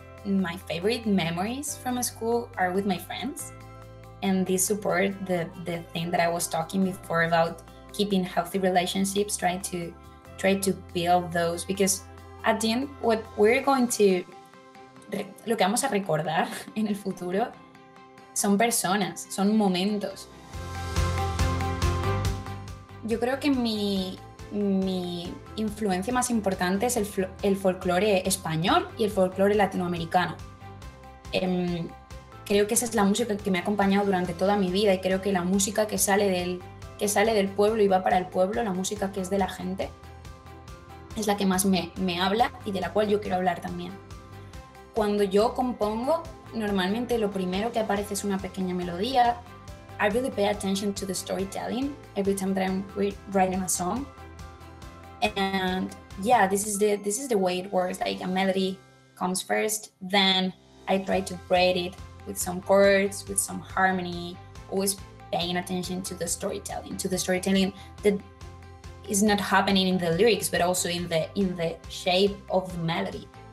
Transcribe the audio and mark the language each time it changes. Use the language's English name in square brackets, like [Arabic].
[English] My favorite memories from school are with my friends, and they support the thing that I was talking before about keeping healthy relationships, trying to build those, because at the end, what we're going to, [Spanish] lo que vamos a recordar en el futuro, son personas, son momentos. Yo creo que mi influencia más importante es el folclore español y el folclore latinoamericano. Creo que esa es la música que me ha acompañado durante toda mi vida, y creo que la música que sale del pueblo y va para el pueblo, la música que es de la gente, es la que más me habla y de la cual yo quiero hablar también. Cuando yo compongo, normalmente lo primero que aparece es una pequeña melodía. [English] I really pay attention to the storytelling every time that I'm writing a song. And yeah, this is the way it works. Like a melody comes first, then I try to braid it with some chords, with some harmony, always paying attention to the storytelling, that is not happening in the lyrics, but also in the shape of the melody.